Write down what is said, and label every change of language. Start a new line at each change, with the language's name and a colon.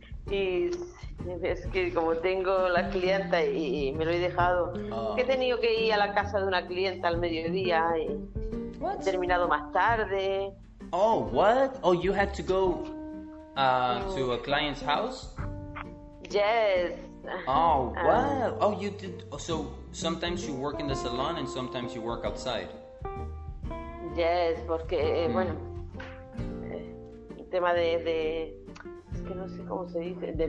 Spanish: Y es que como tengo la clienta y me lo he dejado, he tenido que ir a la casa de una clienta al mediodía y he
English: What?
Spanish: terminado más tarde.
English: Oh, what? Oh, you had to go to a client's house? Yes. Oh, wow. Oh, you did. So sometimes you work in the salon and sometimes you work outside.
Spanish: Yes, porque, bueno, el tema de es que no sé cómo se dice, de